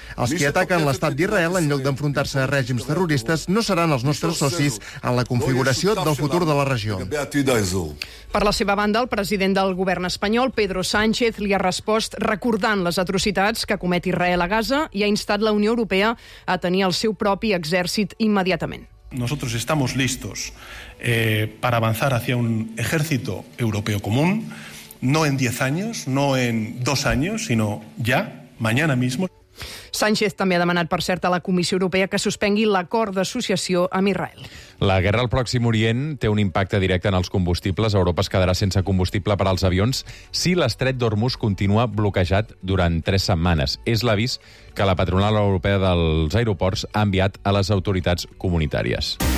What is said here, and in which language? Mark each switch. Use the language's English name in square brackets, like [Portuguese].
[Catalan] Els que ataquen l'estat d'Israel en lloc d'enfrontar-se a règims terroristes no seran els nostres socis en la configuració del futur de la regió. Per la seva banda, el president del govern espanyol, Pedro Sánchez, li ha respost recordant les atrocitats que comet Israel a Gaza i ha instat la Unió Europea a tenir el seu propi exèrcit immediatament. [Spanish] Nosotros estamos listos para avanzar hacia un ejército europeo común, no en 10 años, no en 2 años, sino ya, mañana mismo. [Catalan] Sánchez també ha demanat, per cert, a la Comissió Europea que suspengui l'acord d'associació amb Israel. La guerra al Pròxim Orient té un impacte directe en els combustibles. Europa es quedarà sense combustible per als avions si l'estret d'Hormuz continua bloquejat durant 3 setmanes. És l'avís que la patronal europea dels aeroports ha enviat a les autoritats comunitàries.